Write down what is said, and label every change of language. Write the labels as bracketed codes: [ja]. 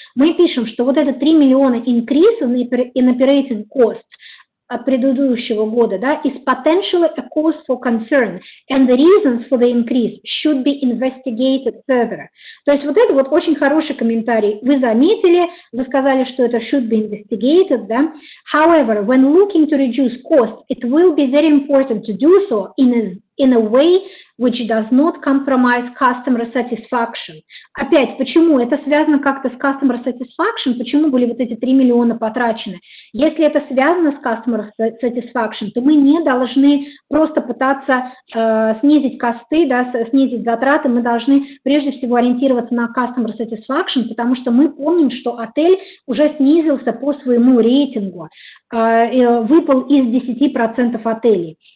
[ru] Мы пишем, что вот это [en] 3 миллиона increase in operating cost [ru] от предыдущего года, да, [en] is potentially a cause for concern, and the reasons for the increase should be investigated further. [ru] То есть вот это вот очень хороший комментарий. Вы заметили, вы сказали, что это [en] should be investigated, [ru] да. [en] However, when looking to reduce costs, it will be very important to do so in a way which does not compromise customer satisfaction. [ru] Опять, почему? Это связано как-то с customer satisfaction? Почему были вот эти 3 миллиона потрачены? Если это связано с customer satisfaction, то мы не должны просто пытаться снизить косты, да, снизить затраты. Мы должны прежде всего ориентироваться на customer satisfaction, потому что мы помним, что отель уже снизился по своему рейтингу, выпал из 10% отелей.